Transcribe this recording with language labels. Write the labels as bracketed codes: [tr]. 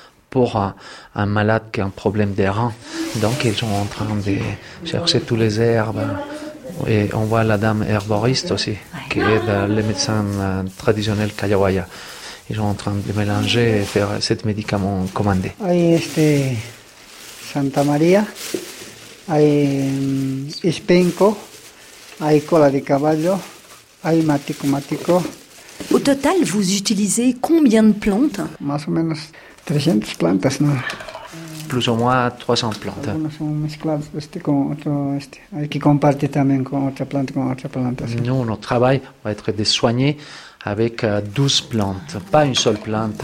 [fr] pour un malade qui a un problème des reins. Donc ils sont en train de chercher toutes les herbes. Et on voit la dame herboriste aussi, qui aide les médecins traditionnels callawaya. Ils sont en train de mélanger et faire cet médicament commandé. [es] Ahí este Santa María, hay espenco, hay cola de caballo, hay matico. [fr] Au total, vous utilisez combien de plantes? [es] Más o menos 300 plantas, ¿no? [fr] Plus ou moins 300 plantes. Qui compartent avec d'autres plantes. Nous, notre travail va être de soigner avec 12 plantes, pas une seule plante.